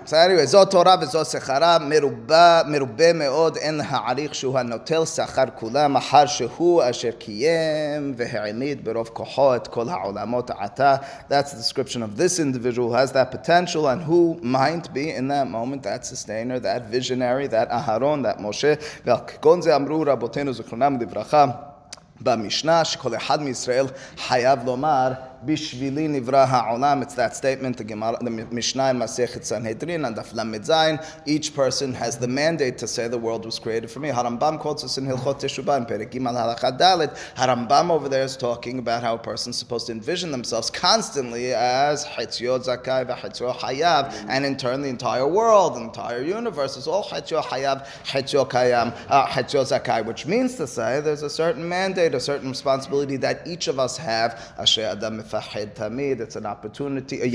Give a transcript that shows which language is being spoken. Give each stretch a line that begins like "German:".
English: So anyway,
Hebrew: זו תורה וזו שכרה, מרובה מאוד, אין להעריך שהוא הנוטל שכר כולם, אחר שהוא אשר קיים והעמיד ברוב כוחו את כל העולמות עתה.
English: That's the description of this individual who has that potential and who might be in that moment, that sustainer, that visionary, that Aharon, that Moshe.
Hebrew: ועל כגון זה אמרו רבותינו זכרונם לברכה, במשנה שכל אחד מישראל חייב לומר, בשבילי נברא העולם.
English: It's that statement, the Mishnah in Masechet Sanhedrin, and the Lamed Zayin. Each person has the mandate to say the world was created for me. Harambam quotes us in Hilchot Teshuvah, in Perek Gimel Halacha Dalet. Harambam over there is talking about how a person is supposed to envision themselves constantly as
Hebrew: Chetzio Zakai v'Chetzio Hayav,
English: and in turn the entire world, the entire universe is all
Hebrew: Chetzio Hayav, Chetzio Kayam, Chetzio Zakai,
English: which means to say there's a certain mandate, a certain responsibility that each of us have,
Hebrew: Asher Adam Mefahed tamid,
English: it's an opportunity.